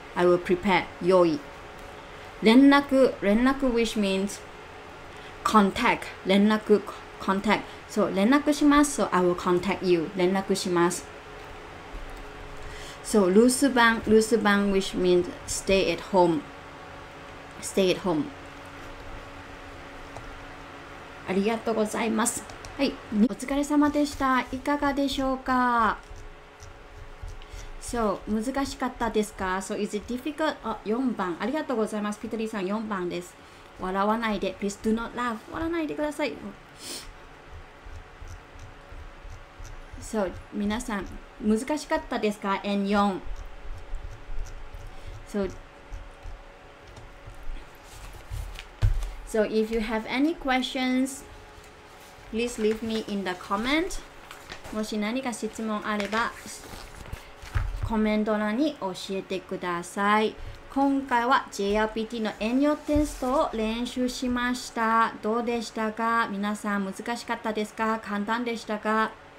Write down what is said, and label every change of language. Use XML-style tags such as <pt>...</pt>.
<en>I will prepare, 用意。連絡連絡 which means contact, 連絡 contact. So,</en> <ja>連絡します。</ja> <en>So, I will contact you, 連絡します。 So, 留守番留守番 which means stay at home, stay at home.</en> <ja>ありがとうございます。はい、お疲れ様でした。いかがでしょうか。So, 難しかったですか。</ja> <en>So, is it difficult? 4番。</en> <ja>ありがとうございます。ピトリーさん、4番です。笑わないで。</ja> <en>Please do not laugh.</en> <ja>笑わないでください。 So, 皆さん、難しかったですか ?N4。</ja> <en>So,So if you have any questions, please leave me in the comment.</en> <ja>もし何か質問あれば、コメント欄に教えてください。今回は JLPT の遠慮テストを練習しました。どうでしたか？皆さん難しかったですか？簡単でしたか？</ja>